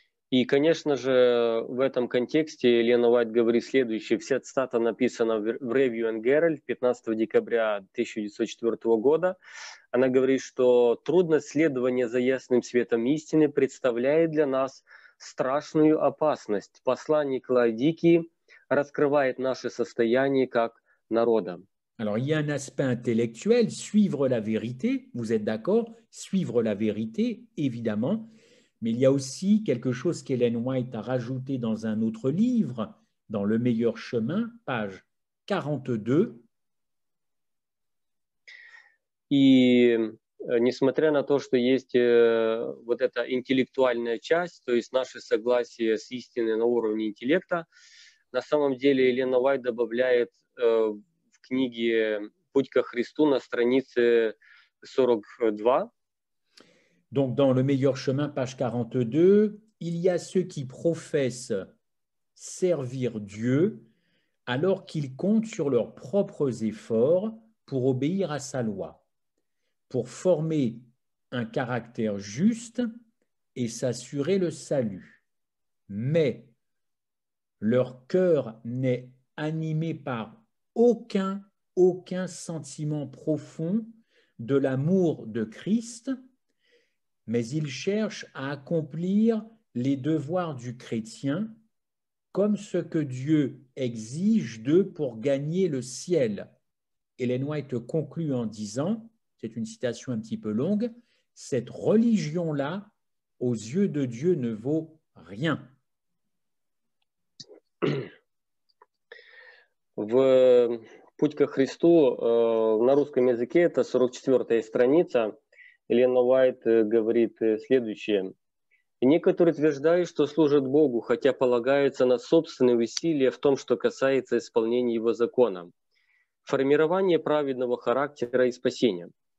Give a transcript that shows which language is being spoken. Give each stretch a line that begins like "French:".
Russian: И, конечно же, в этом контексте Елена Уайт говорит следующее. Вся цитата написана в Review and Herald 15 декабря 1904 года. Она говорит, что трудность следования за ясным светом истины представляет для нас страшную опасность. Посланник Лаодикии раскрывает наше состояние как народа.
French: Alors, il y a un aspect intellectuel, suivre la vérité, vous êtes d'accord? Suivre la vérité, évidemment. Mais il y a aussi quelque chose qu'Ellen White a rajouté dans un autre livre, dans Le Meilleur Chemin, page 42.
Russian: И несмотря на то, что есть вот эта интеллектуальная часть, то есть наше согласие с истиной на уровне интеллекта, на самом деле Ellen White добавляет в книге «Путь ко Христу» на странице 42.
French: Donc, dans Le Meilleur Chemin, page 42, il y a ceux qui professent servir Dieu alors qu'ils comptent sur leurs propres efforts pour obéir à sa loi, pour former un caractère juste et s'assurer le salut. Mais leur cœur n'est animé par aucun sentiment profond de l'amour de Christ. Mais ils cherchent à accomplir les devoirs du chrétien comme ce que Dieu exige d'eux pour gagner le ciel. Ellen White conclut en disant, c'est une citation un petit peu longue, « Cette religion-là, aux yeux de Dieu, ne vaut rien. »
Russian: «Путь ко Христу» на русском языке, это 44-я страница. Елена Уайт говорит следующее. «Некоторые утверждают, что служат Богу, хотя полагаются на собственные усилия в том, что касается исполнения Его закона, формирования праведного характера и спасения.